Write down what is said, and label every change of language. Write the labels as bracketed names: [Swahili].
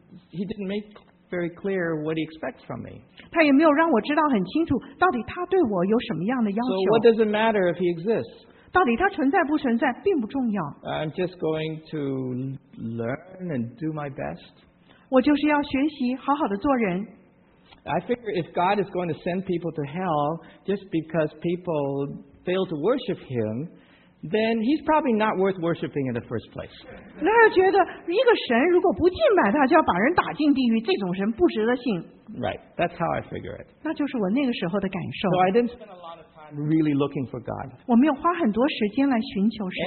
[English] He didn't make very clear what he expects from me. [Chinese] 他也没有让我知道很清楚到底他对我有什么样的要求。 [English] So what does it matter if he exists? [Chinese] 到底他存在不存在并不重要。 [English] I'm just going to learn and do my best. [Chinese] 我就是要学习好好的做人。 [English] I figure if God is going to send people to hell just because people fail to worship him,then he's probably not worth worshiping in the first place. [Chinese] 那就觉得一个神如果不敬拜他，就要把人打进地狱，这种神不值得信。 [English] Right, that's how I figure it. [Chinese] 那就是我那个时候的感受。 [English] So I didn't spend a lot of time not really looking for God. [Chinese] 我没有花很多时间来寻求神。